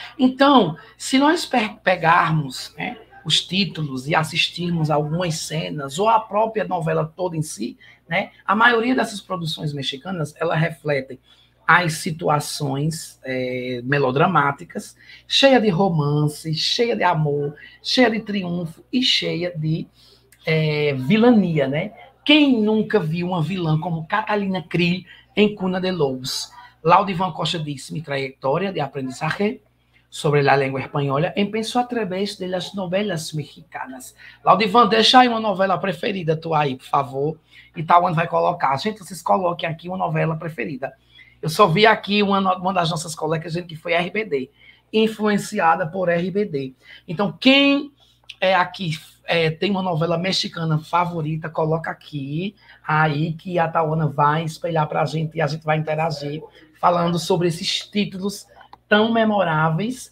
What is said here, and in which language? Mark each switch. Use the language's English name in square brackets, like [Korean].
[Portuguese] Então, se nós pegarmos, né, os títulos e assistirmos algumas cenas, ou a própria novela toda em si, né, a maioria dessas produções mexicanas, ela refletem as situações melodramáticas, cheia de romance, cheia de amor, cheia de triunfo e cheia de vilania, né? Quem nunca viu uma vilã como Catalina Krill em Cuna de Lobos? [Spanish] Laudivan Costa disse, mi trayectoria de aprendizaje sobre la lengua española empezó a través de las novelas mexicanas. [Portuguese] Laudivan, deixa aí uma novela preferida tua aí, por favor, e Thauanny vai colocar. Gente, vocês coloquem aqui uma novela preferida. Eu só vi aqui uma das nossas colegas, gente, que foi RBD, influenciada por RBD. Então, quem é aqui tem uma novela mexicana favorita, coloca aqui, aí que a Thauanny vai espelhar para a gente e a gente vai interagir falando sobre esses títulos tão memoráveis.